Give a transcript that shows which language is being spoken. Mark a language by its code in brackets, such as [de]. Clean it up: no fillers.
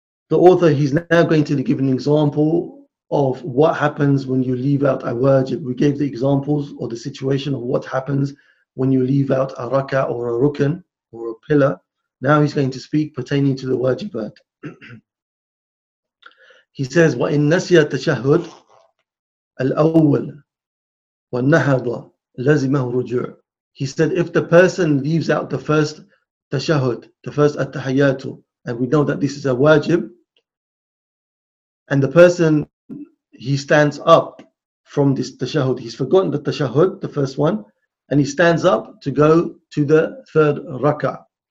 [en] The author, he's now going to give an example of what happens when you leave out a wajib. We gave the examples or the situation of what happens when you leave out a rak'ah or a rukun or a pillar. Now he's going to speak pertaining to the wajibat. He says, [ar] وَإِن نَسِيَ التَّشَهُدُ الْأَوَّلُ وَالنَّهَضَ لَزِمَهُ رُجُعُ. [en] He said, if the person leaves out the first tashahud, the first attahiyatu, and we know that this is a wajib, and the person, he stands up from this tashahud, he's forgotten the tashahud, the first one, and he stands up to go to the third rak'ah.